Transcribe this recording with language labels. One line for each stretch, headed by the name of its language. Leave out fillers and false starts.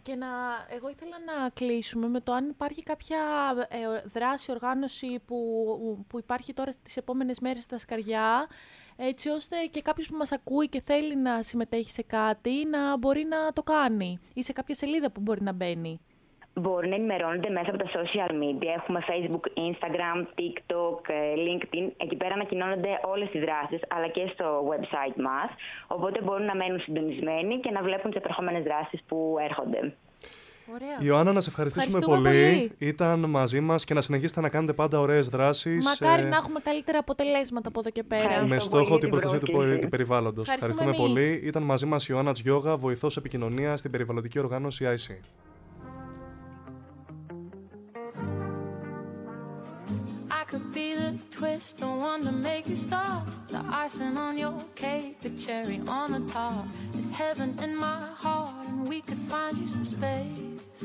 Greek: Και εγώ ήθελα να κλείσουμε με το αν υπάρχει κάποια δράση, οργάνωση που υπάρχει τώρα στις επόμενες μέρες στα Σκαριά, έτσι ώστε και κάποιος που μας ακούει και θέλει να συμμετέχει σε κάτι να μπορεί να το κάνει ή σε κάποια σελίδα που μπορεί να μπαίνει. Μπορεί να ενημερώνονται μέσα από τα social media. Έχουμε Facebook, Instagram, TikTok, LinkedIn. Εκεί πέρα ανακοινώνονται όλες οι δράσεις, αλλά και στο website μας. Οπότε μπορούν να μένουν συντονισμένοι και να βλέπουν τις επερχόμενες δράσεις που έρχονται. Ωραία. Ιωάννα, να σε ευχαριστήσουμε πολύ. Ήταν μαζί μας και να συνεχίσετε να κάνετε πάντα ωραίες δράσεις. Μακάρι να έχουμε καλύτερα αποτελέσματα από εδώ και πέρα. Με στόχο την προστασία του περιβάλλοντος. Ευχαριστούμε πολύ. Ήταν μαζί μας η Ιωάννα Τζιόγα, βοηθός επικοινωνία στην περιβαλλοντική οργάνωση IC.
English: Could be the twist, the one to make you stop. The icing on your cake, the cherry on the top. It's heaven in my heart, and we could find you some space.